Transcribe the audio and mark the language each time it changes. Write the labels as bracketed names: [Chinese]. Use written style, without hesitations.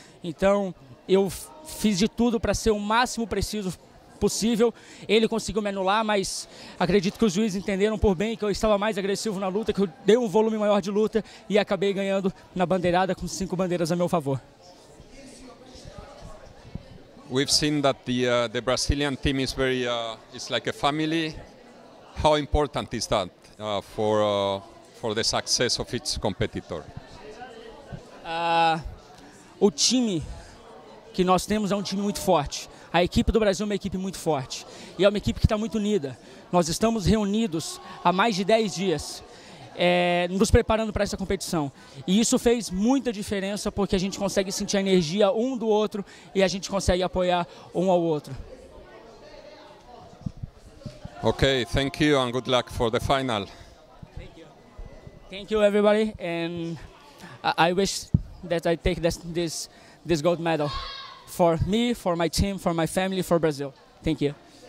[Portuguese] Então, eu fiz de tudo para ser o máximo preciso possível. Ele conseguiu me anular, mas acredito que os juízes entenderam por bem que eu estava mais agressivo na luta, que eu dei um volume maior de luta e acabei ganhando na bandeirada com 5 bandeiras a meu favor. [English] We've seen that the Brazilian team is very it's like a family. How important is that for the success of each competitor? [Portuguese] O time que nós temos é um time muito forte. A equipe do Brasil é uma equipe muito forte e é uma equipe que está muito unida. Nós estamos reunidos há mais de 10 dias, nos preparando para essa competição. E isso fez muita diferença porque a gente consegue sentir a energia um do outro e a gente consegue apoiar um ao outro. [English] Ok, thank you and good luck for the final. Thank you. Thank you everybody and I wish that I take this gold medal. For me, for my team, for my family, for Brazil. Thank you.